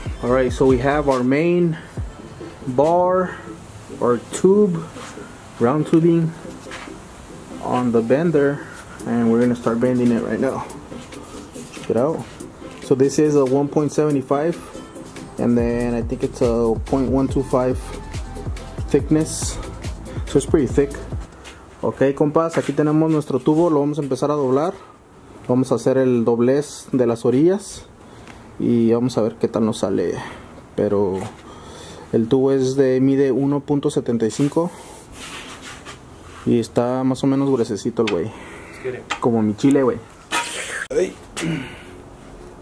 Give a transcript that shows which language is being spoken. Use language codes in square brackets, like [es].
[en] All right, so we have our main bar, our tube, round tubing on the bender, and we're gonna start bending it right now. Check it out. So this is a 1.75, and then I think it's a 0.125 thickness. So it's pretty thick. [es] Ok, compas, aquí tenemos nuestro tubo, lo vamos a empezar a doblar. Vamos a hacer el doblez de las orillas y vamos a ver qué tal nos sale. Pero el tubo mide 1.75 y está más o menos gruesecito el güey. Como mi chile, güey. [en] How many degrees do you want to go?